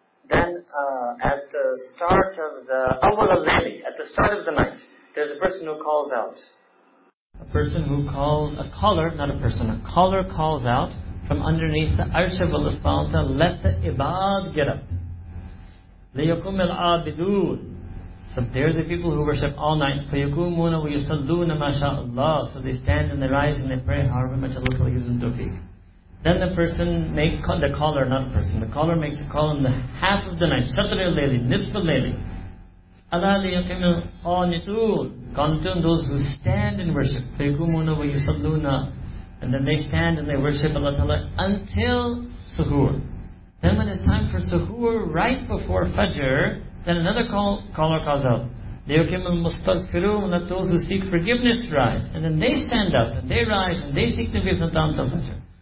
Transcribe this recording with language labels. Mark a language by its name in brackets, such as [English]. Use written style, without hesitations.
[English] Then at the start of the awwal al-layli, at the start of the night, there's a person who calls out. A person who calls, a caller, not a person, a caller calls out from underneath the arsh of Allah subhanahu wa ta'ala, let the ibad get up. [Arabic] ليقوم العابدون. [English] So they're the people who worship all night. [Arabic] فيقومون ويصلون ما شاء الله. [English] So they stand and they rise and they pray however much Allah Ta'ala gives them tawfiq. Then the person make the caller, not a person. The caller makes a call in the half of the night. [Arabic] شطر الليل نصف الليل. ألا ليقوم القانتون. [English] قانتون, those who stand and worship. [Arabic] فيقومون ويصلون. [English] And then they stand and they worship Allah Ta'ala until suhoor. Then when it's time for suhoor, right before Fajr, then another caller calls out. [Arabic] لِيُكِمُ الْمُسْتَغْفِرُونَ, [English] let those who seek forgiveness rise. And then they stand up, and they rise, and they seek the forgiveness until Fajr.